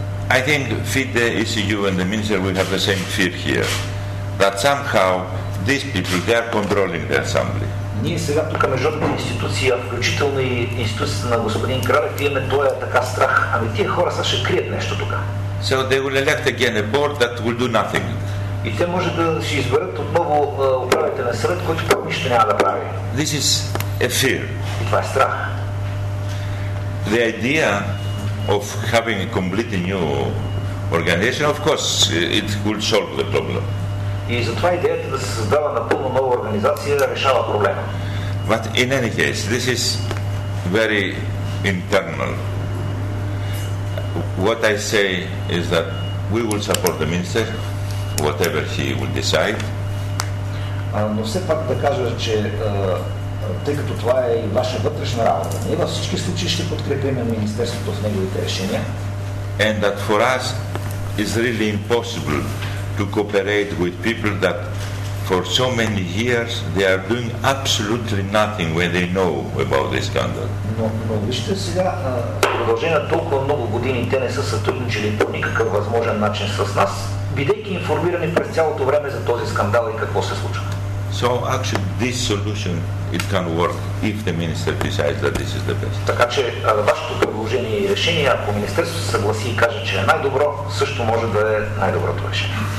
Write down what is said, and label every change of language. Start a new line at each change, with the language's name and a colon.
English: I think FIDE, ECU and the minister will have the same fear here. That somehow these people, they are controlling the assembly.
Bulgarian: Ние сега тук международната институция, включително и институцията на господин Кралев, имаме този така страх. Ами тия хора са ще крият нещо тук.
English: So they will elect again a board that will do nothing.
Bulgarian: И те може да си изберат отново управителен съвет, който пък нищо няма да прави.
English: This is a fear.
Bulgarian: И това е страх.
English: The idea of having a completely new organization, of course, it will solve the problem.
Bulgarian: И затова идеята да се създава напълно нова организация да решава проблема.
English: But in any case, this is very internal. What I say is that we will support the minister, whatever he will decide.
Bulgarian: Но все пак да кажа, че тъй като това е и ваша вътрешна работа, ние във всички случаи ще подкрепим министерството в неговите решения.
English: And that for us is really impossible to cooperate with people that for so many years they are doing absolutely nothing when they know about this scandal.
Bulgarian: Но вижте сега, продължение на толкова много години те не са сътрудничили по никакъв възможен начин с нас, бидейки информирани през цялото време за този скандал и какво се случва.
English: So actually this solution it can work if the minister decides that this is the best.
Bulgarian: Така че вашето предложение и решение, ако министерството се съгласи и каже, че е най-добро, също може да е най-доброто решение.